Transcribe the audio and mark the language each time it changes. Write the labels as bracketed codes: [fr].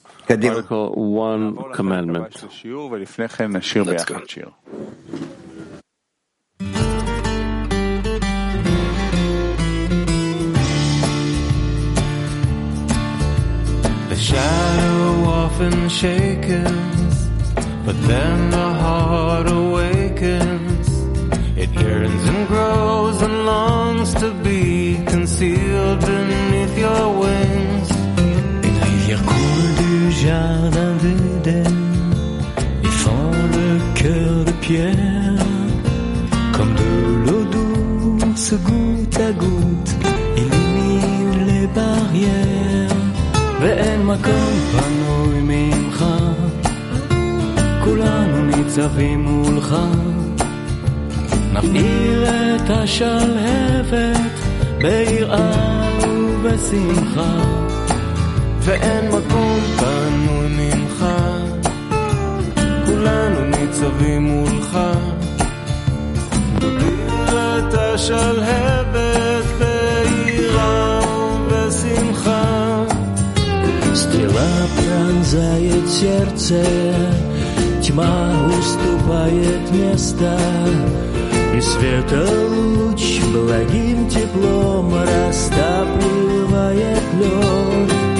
[en] The shadow often shakens, but then the heart awakens. It yearns and grows and longs to be concealed beneath your wings. [fr] Et la lumière coule du jardin d'Eden, y fend le cœur de pierre. Comme de l'eau douce, goutte à goutte, illumine les barrières. [he] ואין מקום פנוי ממך, כולנו ניצבים מולך, נפעיל את השלהבת ביראה ובשמחה. ואין מקום פנוי ממך, כולנו ניצבים מולך, נפעיל את השלהבת ביראה ובשמחה. [ru] Стрела пронзает сердце, тьма уступает место, и света луч благим теплом растапливает лед.